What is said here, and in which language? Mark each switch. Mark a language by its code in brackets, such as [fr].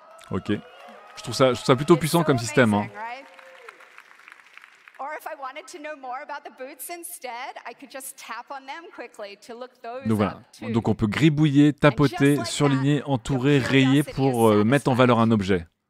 [fr] Ok. Je trouve ça plutôt puissant comme système, hein. [en] Or if I wanted to know more about the boots instead, I could just tap on them quickly to look those up. [fr] Donc voilà. Donc on peut gribouiller, tapoter, surligner, entourer, rayer pour mettre en valeur un objet.